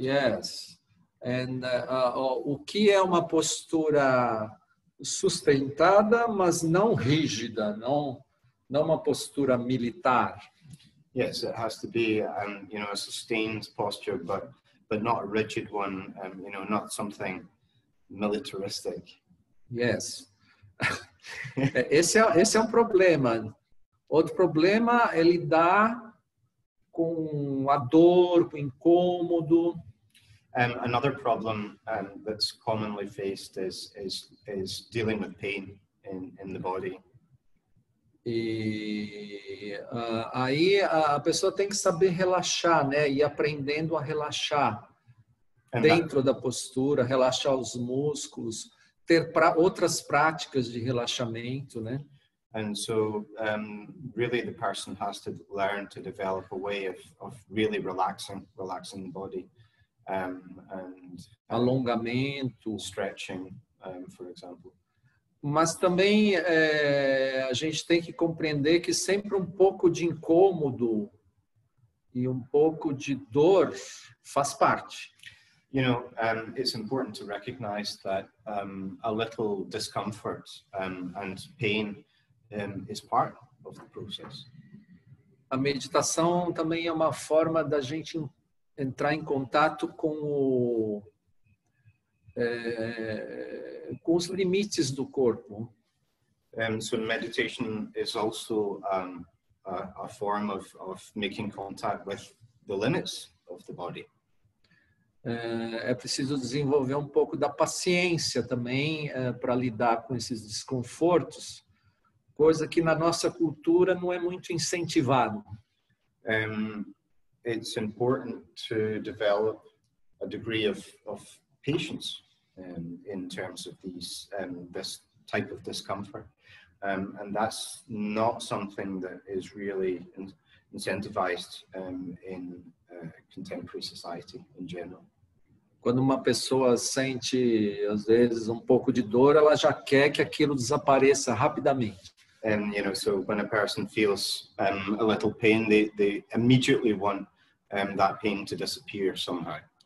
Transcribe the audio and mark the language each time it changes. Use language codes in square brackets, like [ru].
[en] Yes, and [pt] o que é uma postura sustentada, mas não rígida, não uma postura militar. [en] Yes, it has to be, you know, a sustained posture, but not a rigid one, you know, not something militaristic. [pt] Yes. Esse é um problema. Outro problema é lidar com a dor, com o incômodo. [en] Another problem that's commonly faced is dealing with pain in the body. [pt] E aí a pessoa tem que saber relaxar, né? E aprendendo a relaxar da postura, relaxar os músculos, ter outras práticas de relaxamento, né? [en] And so, really the person has to learn to develop a way of really relaxing the body, and [pt] alongamento, [en] stretching, for example. [pt] Mas também a gente tem que compreender que sempre um pouco de incômodo e um pouco de dor faz parte. [en] You know, it's important to recognize that a little discomfort and pain is part of the process. [pt] A meditação também é uma forma da gente entrar em contato com com os limites do corpo. [en] So meditation is also a form of making contact with the limits of the body. [pt] É preciso desenvolver um pouco da paciência também para lidar com esses desconfortos, coisa que na nossa cultura não é muito incentivado. [en] It's important to develop a degree of patience in terms of these this type of discomfort, and that's not something that is really incentivized in contemporary society in general. [pt] Quando uma pessoa sente às vezes um pouco de dor, ela já quer que aquilo desapareça rapidamente. [en] And you know, so when a person feels a little pain, they immediately want that pain to disappear somehow.